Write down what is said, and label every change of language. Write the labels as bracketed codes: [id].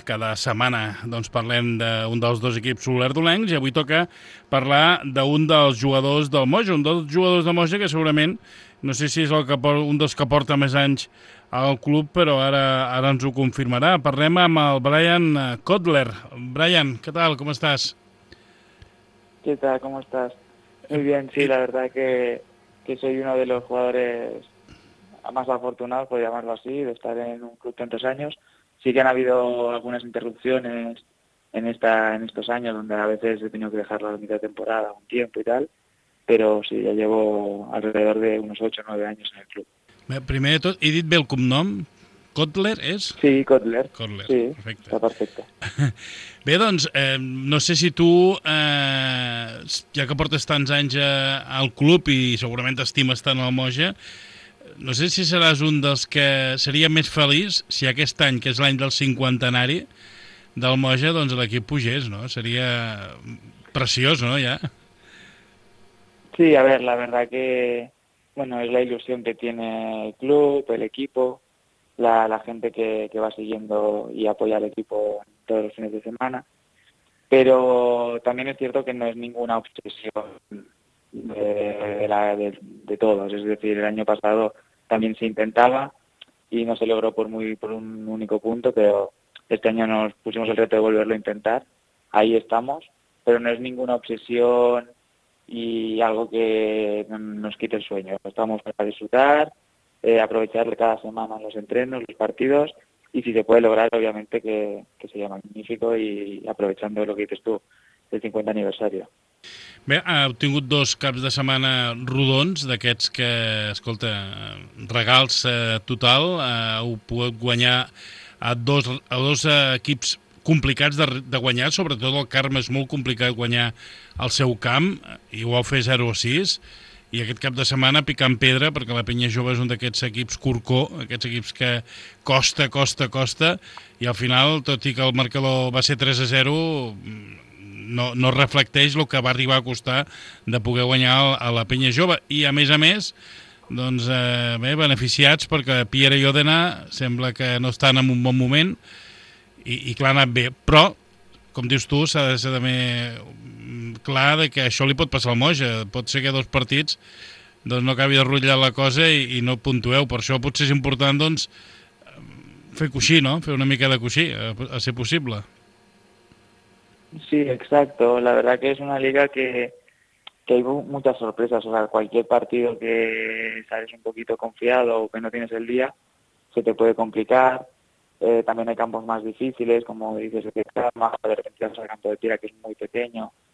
[ca] Cada setmana doncs, parlem d'un dels dos equips olerdolencs i avui toca parlar d'un dels jugadors del Moja, un dels jugadors del Moja que segurament, no sé si és el que, un dels que porta més anys al club, però ara ens ho confirmarà. Parlem amb el Brian Kotler. Brian, què tal, com estàs? [es] ¿Qué tal, cómo estás? Muy bien, sí, la verdad que soy uno de los jugadores más afortunados, por llamarlo así, de estar en un club tantos años. Sí que han habido algunas interrupciones en estos años, donde a veces he tenido que dejar la mitad de temporada, un tiempo y tal, pero sí, ya llevo alrededor de unos 8 o 9 años en el club. [ca] Primer de tot, he dit bé el cognom? Kotler és? Sí, Kotler. Kotler, sí, perfecte. Està perfecte. Bé, doncs, no sé si tu, ja que portes tants anys al club i segurament t'estimes tant el Moja, no sé si seràs un dels que seria més feliç si aquest any, que és l'any del cinquantenari del Moja, doncs l'equip pugés, no? Seria preciós, no, ja? [es] Sí, a ver, la verdad que, bueno, es la ilusión que tiene el club, el equipo, la gente que va siguiendo y apoya al equipo todos los fines de semana, pero también es cierto que no es ninguna obsesión de todos, es decir, el año pasado también se intentaba y no se logró por un único punto, pero este año nos pusimos el reto de volverlo a intentar, ahí estamos, pero no es ninguna obsesión y algo que nos quite el sueño, estamos para disfrutar, aprovechar cada semana los entrenos, los partidos, y si se puede lograr, obviamente, que sería magnífico y aprovechando lo que dices tú, el 50 aniversario. [ca] Bé, heu tingut dos caps de setmana rodons, d'aquests que, escolta, regals total, heu pogut guanyar a dos equips complicats de guanyar, sobretot el Carme és molt complicat guanyar al seu camp, i ho vau fer 0-6, i aquest cap de setmana picant pedra, perquè la Penya Jove és un d'aquests equips corcó, aquests equips que costa, i al final, tot i que el marcador va ser 3-0, no reflecteix el que va arribar a costar de poder guanyar a la Penya Jove. I a més, doncs, bé, beneficiats, perquè Piera i Òdena sembla que no estan en un bon moment, i clar, ha anat bé, però, com dius tu, s'ha de ser també clar de que això li pot passar al Moja, pot ser que dos partits doncs no acabi de rutllar la cosa i no puntueu, per això potser és important doncs fer coixí, no? Fer una mica de coixí, a ser possible. [es] Sí, exacto, la verdad que es una liga que hay muchas sorpresas, o sea, cualquier partido que sales un poquito confiado o que no tienes el día, se te puede complicar. También hay campos más difíciles, como dices, que está más de repente vas al campo de tira, que es muy pequeño.